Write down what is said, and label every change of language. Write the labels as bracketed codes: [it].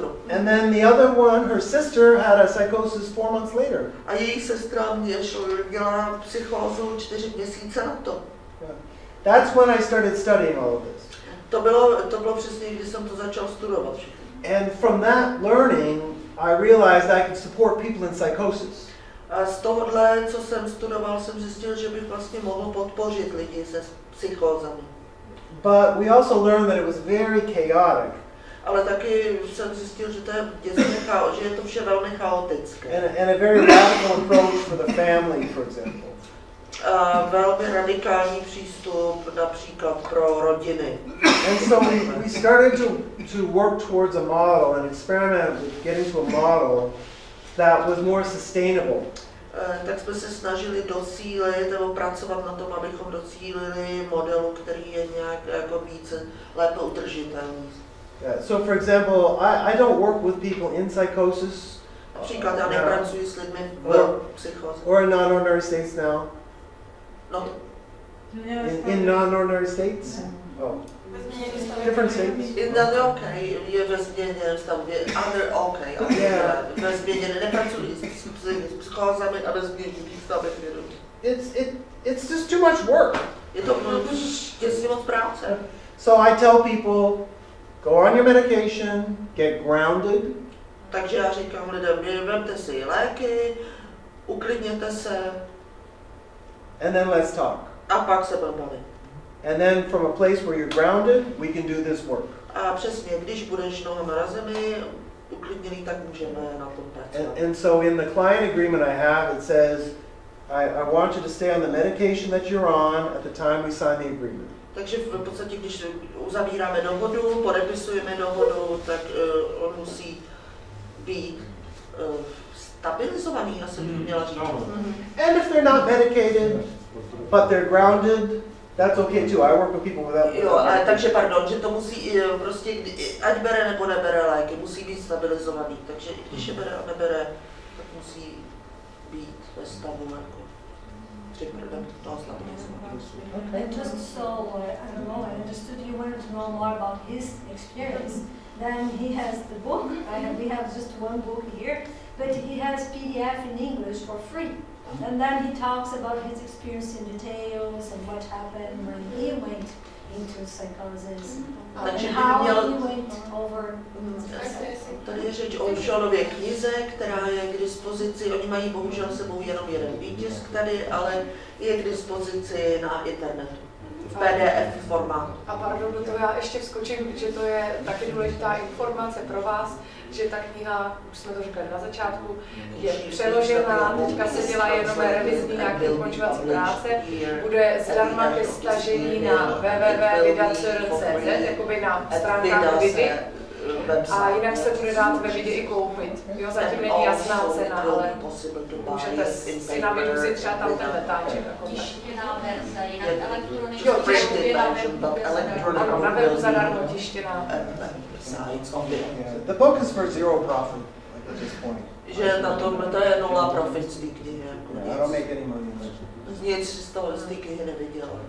[en] And then the other one, her sister had a psychosis 4 months later. [cs] A její sestra měla psychózu 4 měsíce na to. [en] That's when I started studying all of this. [cs] To bylo přesně, když jsem to začal studovat. [en] And from that learning, I realized I could support people in psychosis. [cs] A z tohohle, co jsem studoval, jsem zjistil, že bych vlastně mohl podpořit lidi se psychózami. [en] But we also learned that it was very chaotic. [cs] Ale taky jsem zjistil, že to je děsně chaotické, že je to vše velmi chaotické. [en] And a very radical approach for the family, for example. [cs] A velmi radikální přístup například pro rodiny. [en] And so we started to work towards a model and experiment with getting to a model that was more sustainable. [cs] Tak jsme se snažili docílit nebo pracovat na tom, abychom docílili modelu, který je nějak jako více lépe udržitelný. [en] Yeah, so for example, I don't work with people in psychosis. [cs] Například já nepracuji s lidmi v psychóze. [en] Or in non-ordinary states now. No. In non-ordinary states? No. Oh. Different states? In that okay, [cs] ve změněném stavě. [en] Other okay. [cs] Ve změněném nepracují s psychózami a ve změněném stavě [en] vědomí. It's just too much work. [cs] Je to děsně moc práce. [en] So I tell people, go on your medication, get grounded. [cs] Takže já říkám lidem, vemte si léky, uklidněte se. [en] And then let's talk. [cs] A pak se budeme bavit. [en] And then from a place where you're grounded, we can do this work. [cs] A přesně, když budeš nohama na zemi, uklidněný, tak můžeme na tom pracovat. [en] And so in the client agreement I have, it says, I want you to stay on the medication that you're on at the time we sign the agreement. [cs] Takže v podstatě, když uzavíráme dohodu, podepisujeme dohodu, tak on musí být stabilizovaný, já jsem měla říct. [en] And if they're not medicated, but they're grounded, that's okay too. I work with people without. [cs] Jo, a takže pardon, že to musí prostě, ať bere nebo nebere léky, musí být stabilizovaný. Takže i když je bere a nebere, tak musí být ve stavu jako připraven toho stabilizovaného. [en] I just saw, I don't know, I understood you wanted to know more about his experience. Then he has the book. We have just one book here. But he has PDF in English for free. And then he talks about his experience in details and what happened when he went into psychosis. And how he went over [cs] Tady je řeč o Šonově knize, která je k dispozici. Oni mají bohužel sebou jenom jeden výtisk tady, ale je k dispozici na internetu. PDF forma. A pardon, do toho já ještě vskočím, že to je taky důležitá informace pro vás, že ta kniha, už jsme to řekli na začátku, je přeložena, teďka se dělá jenom revizní nějaké ukončovací práce, bude zdarma ke stažení na www.vida.cz, jakoby na stránkách Vidy. A jinak se bude dát ve Vidě i koupit. Jo, zatím není jasná cena, ale můžete si na Vidu vzít třeba tam ten letáček. Tištěná verze, jinak elektronická verze. Ano, na webu zadarmo tištěná. [en] The book is for zero profit at this point. [cs] Že na tom, to je nula profit z té knihy. [en] I don't make any money. [cs] Nic z toho z té knihy neviděl.